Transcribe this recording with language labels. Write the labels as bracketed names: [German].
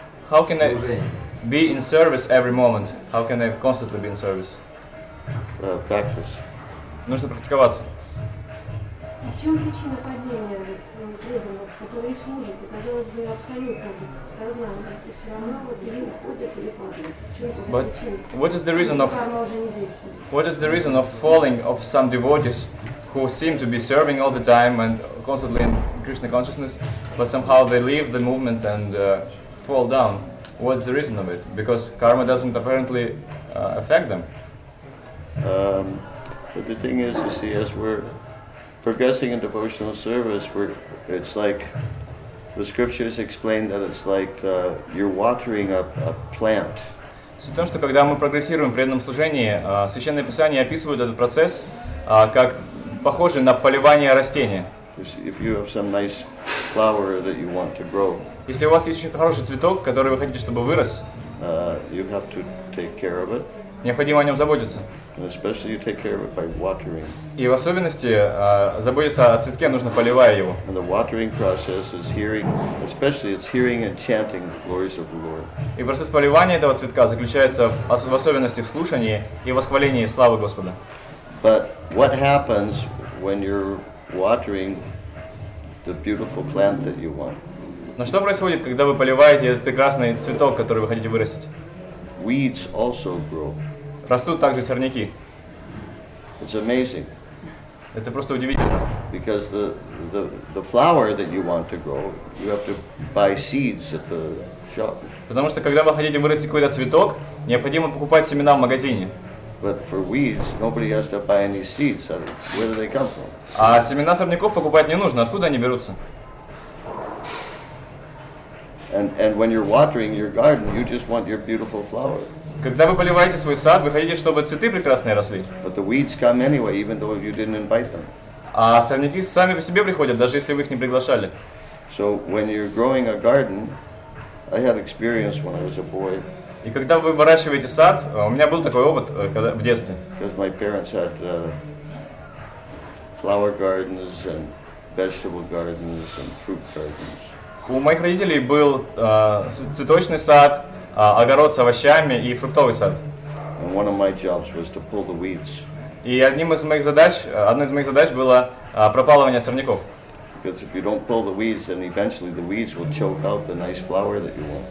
[English] How can [Russian] служение? [English] I be in service every moment? How can I constantly be in service? Practice. [Russian] Нужно практиковаться. В чем причина падения преданных, которые служат, и, казалось бы, абсолютно сознание, и все равно вот или уходят, или падают? [English] What is the reason of falling of some devotees who seem to be serving all the time and constantly in Krishna consciousness, but somehow they leave the movement and fall down? What's the reason of it? Because karma doesn't apparently affect them. But the thing is, you see, as we're progressing in devotional service, it's like the scriptures explain that it's like you're watering a plant. [Russian] Суть в том, что когда мы прогрессируем в преданном служении, священные писания описывают этот процесс как похожий на поливание растения. [English] If you have some nice flower that you want to grow. [Russian] Если у вас есть очень хороший цветок, который вы хотите, чтобы вырос, [English] you have to take care of it. [Russian] Необходимо о нем заботиться. [English] And especially you take care of it by watering. [Russian] И в особенности заботиться о цветке нужно, поливая его. [English] And the watering process is hearing, especially it's hearing and chanting the glories of the Lord. [Russian] И процесс поливания этого цветка заключается в особенности в слушании и восхвалении славы Господа. [English] But what happens when you're watering the beautiful plant that you want? [Russian] Но что происходит, когда вы поливаете этот прекрасный цветок, который вы хотите вырастить? [English] Weeds also grow. [Russian] Растут также сорняки. [English] It's amazing. [Russian] Это просто удивительно. [English] Because the flower that you want to grow, you have to buy seeds at the shop. [Russian] Потому что когда вы хотите вырастить какой-то цветок, необходимо покупать семена в магазине. [English] But for weeds, nobody has to buy any seeds. Where do they come from? [Russian] А семена сорняков покупать не нужно. Откуда они берутся? [English] And when you're watering your garden, you just want your beautiful flower. [Russian] Когда вы поливаете свой сад, вы хотите, чтобы цветы прекрасные росли. [English] But the weeds come anyway, even though you didn't invite them. [Russian] А сорняки сами по себе приходят, даже если вы их не приглашали. [English] So when you're growing a garden, I had experience when I was a boy. [Russian] И когда вы выращиваете сад, у меня был такой опыт когда, в детстве. [English] Because my parents had flower gardens and vegetable gardens and fruit gardens. [Russian] У моих родителей был цветочный сад, огород с овощами и фруктовый сад. [English] And one of my jobs was to pull the weeds. [Russian] И одной из моих задач было пропалывание сорняков. [English] Because if you don't pull the weeds, then eventually the weeds will choke out the nice flower that you want.